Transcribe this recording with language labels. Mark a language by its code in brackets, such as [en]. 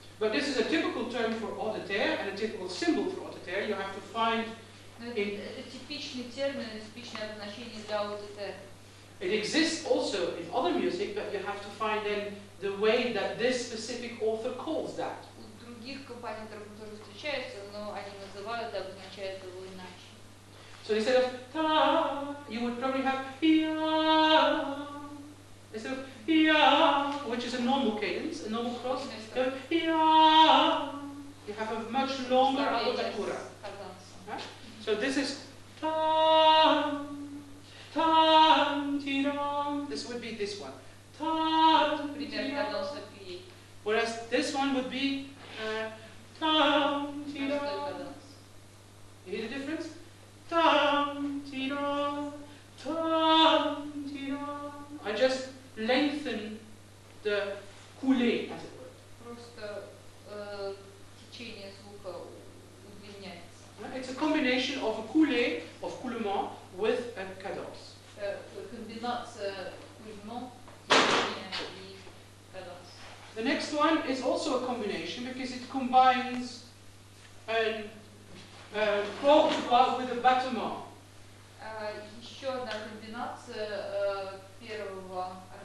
[en] But this is a typical term for auditaire and a typical symbol for auditaire. You have to find it exists also in other music, but you have to find then the way that this specific author calls that. [ru] У других композиторов тоже встречается, но они называют обозначают его иначе. [en] So instead of ta, you would probably have ya. Instead of ya, which is a normal cadence, a normal cross, you have a much longer abbreviatura. So this is tan, tan, tiran. This would be this one. Tan, tiran. Whereas this one would be tan, tiran. You hear the difference? Tan, tiran, tan, tiran. I just lengthen the coulée, as it were. [ru] Просто течение звука удлиняется. [en] It's a combination of a coulée, of coulement, with a cadence. [ru] Комбинация coulement, течение и cadence. [en] The next one is also a combination because it combines an courbevoie with a battement. [ru] Еще одна комбинация первого.